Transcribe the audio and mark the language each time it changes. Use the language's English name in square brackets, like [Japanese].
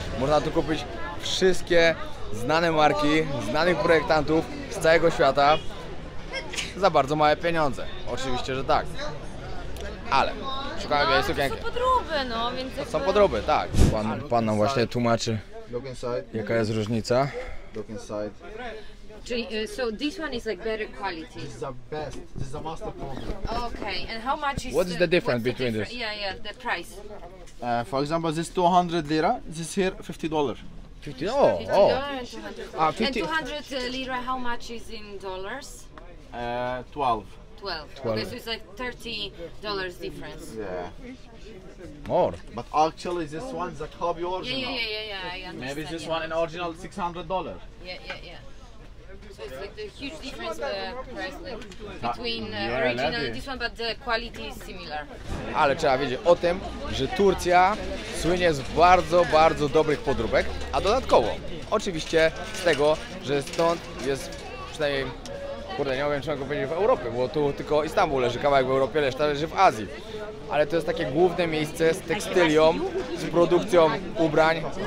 [Polish] Można tu kupić wszystkie znane marki, znanych projektantów z całego świata za bardzo małe pieniądze. Oczywiście, że tak. ale szukamy białej sukienki. To są podróby, no, więc jakby... To są podróby, tak. Pan nam właśnie tłumaczy, jaka jest różnica. [English] Look inside. So this one is like better quality. This is the best. This is a master problem. Okay, and how much is what's the difference what's between this? Yeah, yeah, the price. For example, this 200 lira, this here $50. $50? Oh, oh. $50. And 200 lira, how much is in dollars? 12. Okay, so it's like $30 difference. Yeah. More. But actually, this one's a copy original. Yeah, yeah, yeah, yeah, yeah, I understand. Maybe this yeah. one an original $600. Yeah, yeah, yeah. So it's like the huge difference between original and this one, but the quality is similar. [Polish] Ale trzeba wiedzieć o tym, że Turcja słynie z bardzo, bardzo dobrych podróbek, a dodatkowo oczywiście z tego, że stąd jest przynajmniej, kurde, nie wiem, czy mogę powiedzieć w Europie, bo tu tylko Istanbul leży, kawałek w Europie, reszta leży w Azji. Ale to jest takie główne miejsce z tekstylią, z produkcją ubrań.